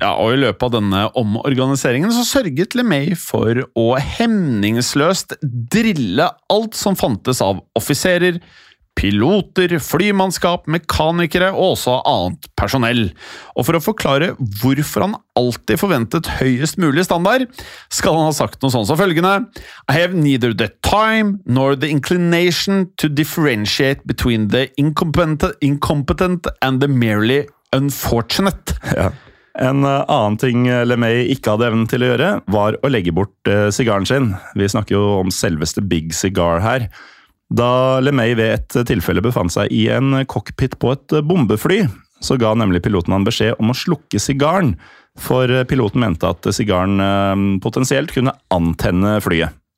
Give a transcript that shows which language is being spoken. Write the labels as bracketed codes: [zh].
[no] Ja, og i løpet av denne omorganiseringen så sørget LeMay for å hemningsløst drille alt som fantes av offiserer, piloter, flymannskap, mekanikere og også annet personell. Og for å forklare hvorfor han alltid forventet høyest mulig standard, skal han ha sagt noe sånt som følgende. [en] I have neither the time nor the inclination to differentiate between the incompetent and the merely unfortunate. [no] Ja. En annen ting LeMay ikke hadde evnen til å gjøre, var å legge bort sigaren sin. Vi snakker jo om selveste Big Cigar her. Da LeMay ved et tilfelle befant seg i en cockpit på et bombefly, så ga nemlig piloten han beskjed om å slukke sigaren, for piloten mente at sigaren potensielt kunne antenne flyet.